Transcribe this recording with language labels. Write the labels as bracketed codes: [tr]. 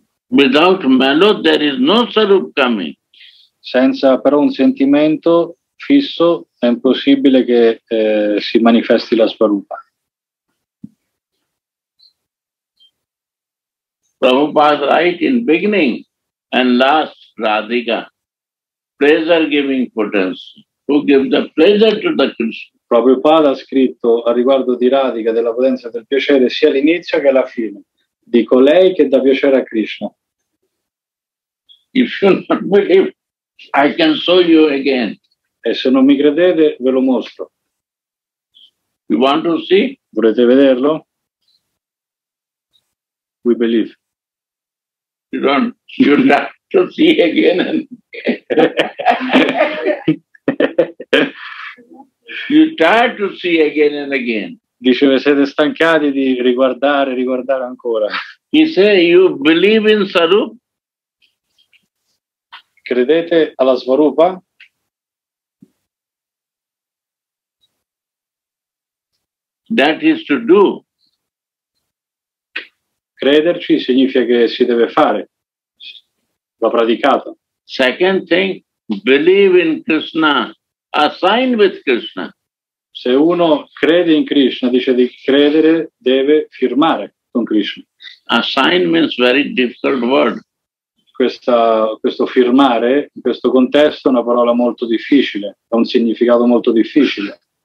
[en] without mellow there is no sarup coming. [it] Senza però un sentimento fisso è impossibile che si manifesti la svarupa. [en] Prabhupada write in beginning and last Radhika, pleasure giving potency, who give the pleasure to the Krishna. [it] Prabhupada ha scritto a riguardo di Radhika, della potenza del piacere, sia all'inizio che alla fine, di colei che dà piacere a Krishna. [en] If you not believe, I can show you again. [it] E se non mi credete, ve lo mostro. [en] You want to see? [it] Volete vederlo? [en] We believe. You don't have to see again. And you try to see again and again. [it] Diceva, siete stancati di riguardare, riguardare ancora. [en] He said, you believe in Sarup? [it] Credete alla Svarupa? [en] That is to do. [it] Crederci significa che si deve fare. Va praticato. [en] Second thing, believe in Krishna, assign with Krishna. [it] Se uno crede in Krishna, dice di credere, deve firmare con Krishna. [en] Assign means very difficult word. [it] Questo firmare in questo contesto è una parola molto difficile, ha un significato molto difficile.